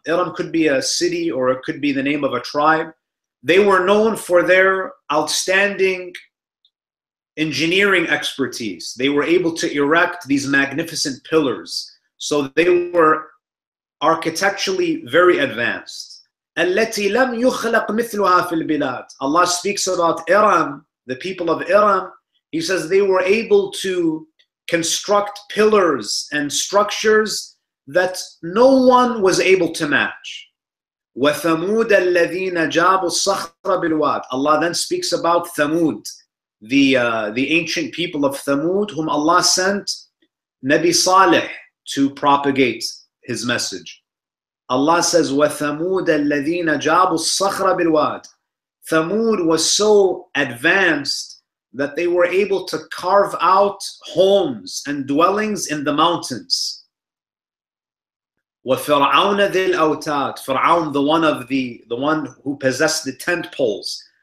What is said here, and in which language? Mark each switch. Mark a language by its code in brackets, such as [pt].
[en] Iram could be a city or it could be the name of a tribe. They were known for their outstanding engineering expertise. They were able to erect these magnificent pillars. So they were architecturally very advanced. [ar] التي لم يخلق مثلها في البلاد. [en] Allah speaks about Iram, the people of Iram. He says they were able to construct pillars and structures that no one was able to match. [ar] وَثَمُودَ الَّذِينَ جَابُوا الصَّخْرَ بِالْوَادِ. [en] Allah then speaks about Thamud, the ancient people of Thamud, whom Allah sent Nabi Saleh to propagate his message. Allah says, [ar] وَثَمُودَ الَّذِينَ جَابُوا الصَّخْرَ بِالْوَادِ. [en] Thamud was so advanced that they were able to carve out homes and dwellings in the mountains. [ar] وَفِرْعَوْنَ ذِي الْأَوْتَادِ. [en] Fir'aun, the one who possessed the tent poles.